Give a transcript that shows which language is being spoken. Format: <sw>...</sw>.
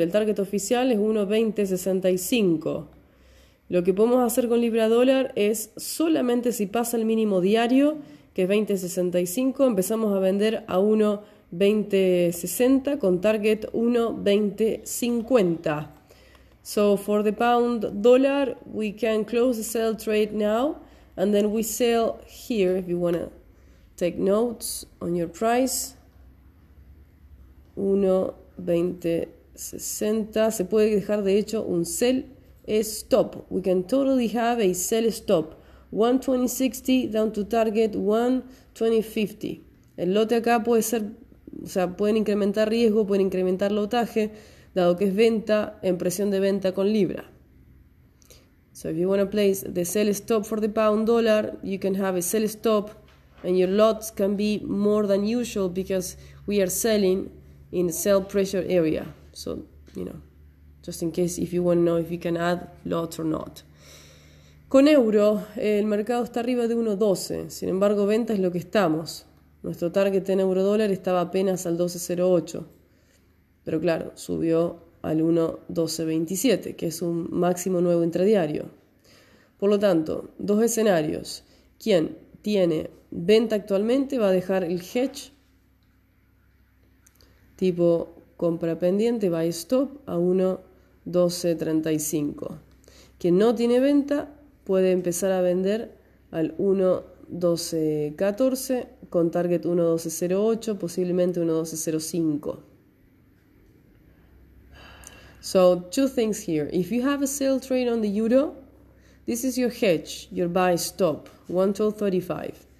<es>El target oficial es 1.2065. Lo que podemos hacer con libra dólar es solamente si pasa el mínimo diario, que es 20.65, empezamos a vender a 1.2060 con target 1.2050.</es> <en>So for the pound dollar, we can close the sell trade now and then we sell here if you wanna take notes on your price. 1.2060.</en> <es>Se puede dejar de hecho un sell stop.</es> <en>We can totally have a sell stop. 1.2060 down to target 1.2050.</en> <es>El lote acá puede ser, o sea, pueden incrementar riesgo, pueden incrementar lotaje, dado que es venta en presión de venta con libra.</es> <en>So if you want to place the sell stop for the pound dollar, you can have a sell stop. And your lots can be more than usual because we are selling in sell pressure area. So, you know, just in case if you want to know if you can add lots or not.</en> <es>Con euro, el mercado está arriba de 1.12. Sin embargo, venta es lo que estamos. Nuestro target en euro dólar estaba apenas al 12.08. Pero claro, subió al 1.12.27, que es un máximo nuevo intradiario. Por lo tanto, dos escenarios. ¿Quién tiene venta actualmente va a dejar el hedge tipo compra pendiente, buy stop a 1.12.35. Quien no tiene venta puede empezar a vender al 1.12.14 con target 1.12.08, posiblemente 1.12.05.</es> <en>So, two things here. If you have a sell trade on the euro, this is your hedge, your buy stop, 1.12.35.</en>